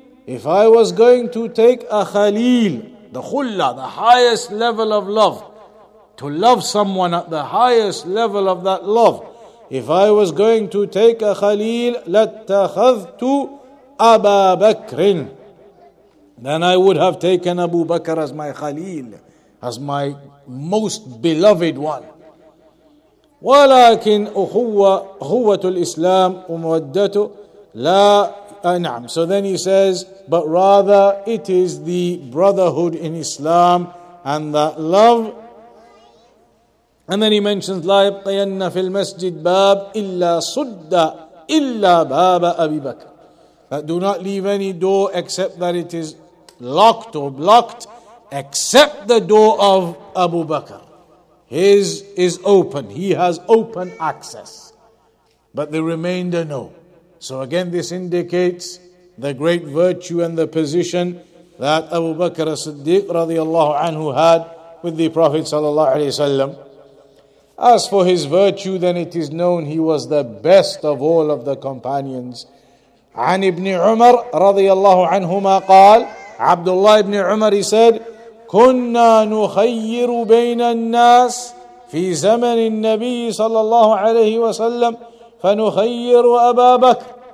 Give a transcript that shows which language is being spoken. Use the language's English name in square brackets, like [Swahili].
[English] If I was going to take a khalil, the khulla, the highest level of love, to love someone at the highest level of that love, if I was going to take a khalil, [Arabic] لاتخذت أبا بكر. [English] then I would have taken Abu Bakr as my Khalil, as my most beloved one. [Arabic] ولكن أخوة أخوة الإسلام ومودته لا نعم. [English] So then he says, but rather it is the brotherhood in Islam and that love. And then he mentions [Arabic] لا يبقين في المسجد باب إلا صد إلا باب أبي بكر. [English] That do not leave any door except that it is locked or blocked, except the door of Abu Bakr. His is open. He has open access. But the remainder, no. So again, this indicates the great virtue and the position that Abu Bakr as-Siddiq radiallahu anhu had with the Prophet sallallahu alayhi wasallam. As for his virtue, then it is known he was the best of all of the companions. [Arabic] عن ابن عمر رضي الله عنهما قال عبد الله ابن عمر [English] he said [Arabic] كنا نخير بين الناس في زمن النبي صلى الله عليه وسلم فنخير أبا بكر.